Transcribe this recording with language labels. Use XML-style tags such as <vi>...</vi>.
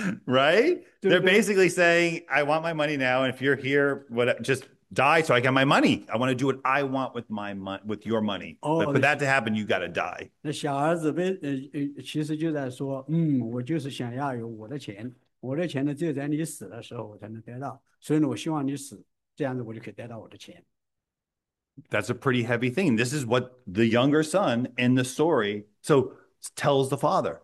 <en>Right? They're basically saying, I want my money now, and if you're here, what, just die so I got my money. I want to do what I want with my money, with your money. Oh, but that to happen, you got to die.</en> <zh>那小儿子其实就在说，嗯，我就是想要有我的钱，我的钱呢就在你死的时候我才能得到，所以呢，我希望你死，这样子我就可以得到我的钱。</zh> <en>That's a pretty heavy thing. This is what the younger son in the story so tells the father.</en>